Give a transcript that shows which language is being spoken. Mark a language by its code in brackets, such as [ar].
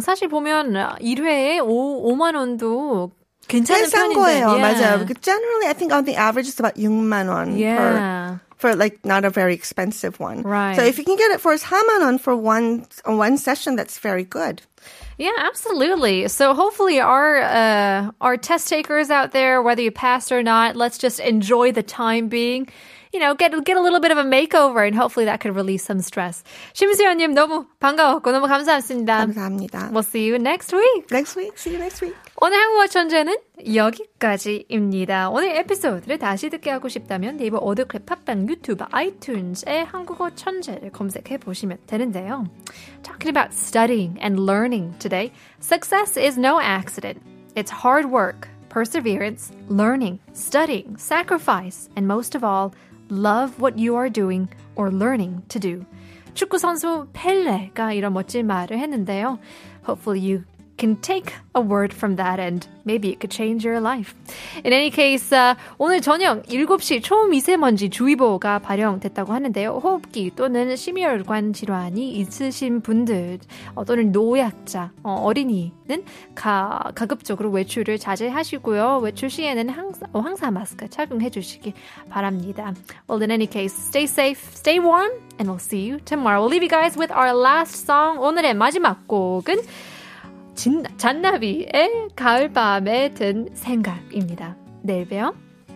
[ko] 사실 보면 1회에 5만 원도 괜찮은 편인데. 거예요. Yeah. 맞아요. [en] Generally, I think on the average, it's about 6만 원. Yeah. For like not a very expensive one. Right. So if you can get it for 4만 원 for one session, that's very good. Yeah, absolutely. So hopefully our test takers out there, whether you passed or not, let's just enjoy the time being. You know, get a little bit of a makeover and hopefully that could release some stress. [ko] 심수연님 너무 반가웠고 너무 감사했습니다. 감사합니다. [en] We'll see you next week. See you next week. [ko] 오늘 한국어 천재는 여기까지입니다. 오늘 에피소드를 다시 듣게 하고 싶다면 네이버 오디오클립 팟빵 유튜브 아이튠즈에 한국어 천재를 검색해 보시면 되는데요. [en] Talking about studying and learning today, success is no accident. It's hard work, perseverance, learning, studying, sacrifice, and most of all, love what you are doing or learning to do. [ko] 축구 선수 펠레가 이런 멋진 말을 했는데요. [en] Hopefully you can take a word from that and maybe it could change your life. In any case, [ko] 오늘 저녁 7시 초미세먼지 주의보가 발령됐다고 하는데요. 호흡기 또는 심혈관 질환이 있으신 분들 또는 노약자, 어린이는 가급적으로 외출을 자제하시고요. 외출 시에는 황사 마스크 착용해 주시기 바랍니다. [en] Well, in any case, stay safe, stay warm, and we'll see you tomorrow. We'll leave you guys with our last song. [ko] 오늘의 마지막 곡은 잔나비의 가을밤에 든 생각입니다. 내일 봬요.